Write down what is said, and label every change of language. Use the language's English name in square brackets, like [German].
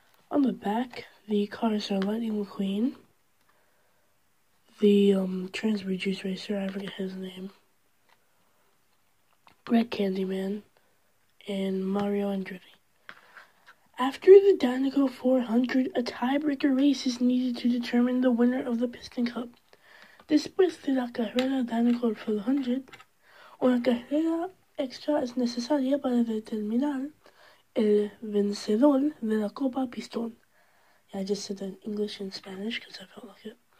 [English] On the back, the cars are Lightning McQueen, the Transbury Juice Racer, I forget his name, Brett Candyman, and Mario Andretti. After the Dynaco 400, a tiebreaker race is needed to determine the winner of the Piston Cup. [Spanish] Después de la carrera Dynaco 400, una carrera extra es necesaria para determinar el vencedor de la Copa Pistón. [English] Yeah, I just said that in English and Spanish because I felt like it.